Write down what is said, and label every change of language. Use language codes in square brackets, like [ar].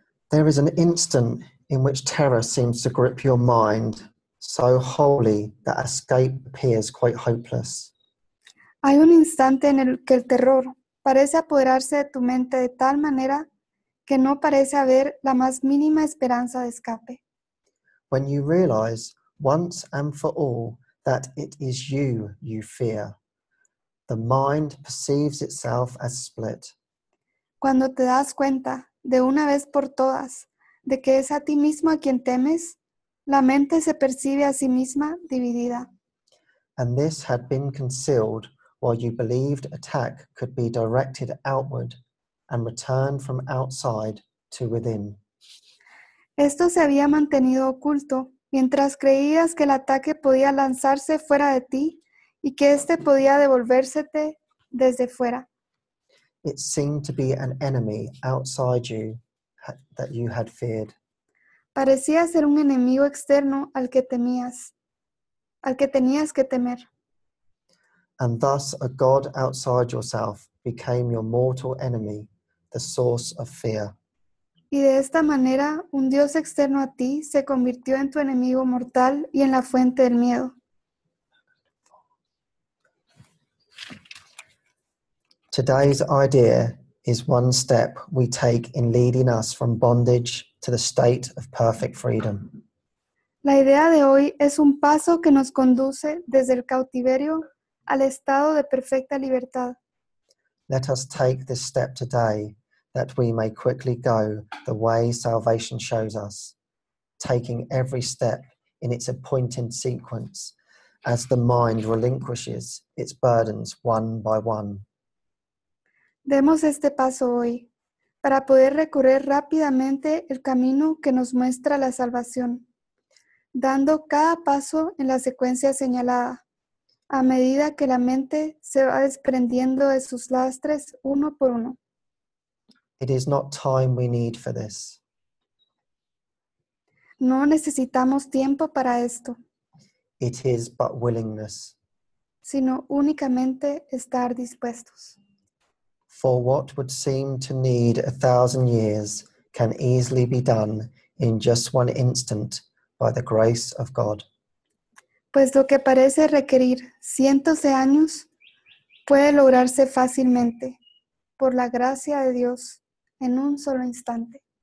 [en] There is an instant in which terror seems to grip your mind so wholly that escape appears quite hopeless. [es] Hay un instante en el que el terror parece apoderarse de tu mente de tal manera que no parece haber la más mínima esperanza de escape. [en] When you realize once and for all that it is you you fear, the mind perceives itself as split. [es] Cuando te das cuenta de una vez por todas, de que es a ti mismo a quien temes, la mente se percibe a sí misma dividida. [en] And this had been concealed while you believed attack could be directed outward and returned from outside to within. [es] Esto se había mantenido oculto mientras creías que el ataque podía lanzarse fuera de ti y que este podía devolvérsete desde fuera. [en] It seemed to be an enemy outside you that you had feared. [es] Parecía ser un enemigo externo al que temías, al que tenías que temer. [en] And thus a god outside yourself became your mortal enemy, the source of fear. [es] Y de esta manera un dios externo a ti se convirtió en tu enemigo mortal y en la fuente del miedo. [en] Today's idea is one step we take in leading us from bondage to the state of perfect freedom. [es] La idea de hoy es un paso que nos conduce desde el cautiverio al estado de perfecta libertad. [en] Let us take this step today that we may quickly go the way salvation shows us, taking every step in its appointed sequence as the mind relinquishes its burdens one by one. [es] Demos este paso hoy para poder recorrer rápidamente el camino que nos muestra la salvación, dando cada paso en la secuencia señalada, a medida que la mente se va desprendiendo de sus lastres uno por uno. [en] It is not time we need for this. [es] No necesitamos tiempo para esto. [en] It is but willingness. [es] Sino únicamente estar dispuestos. [en] For what would seem to need 1,000 years can easily be done in just one instant by the grace of God. [es] Pues lo que parece requerir cientos de años puede lograrse fácilmente por la gracia de Dios en un solo instante.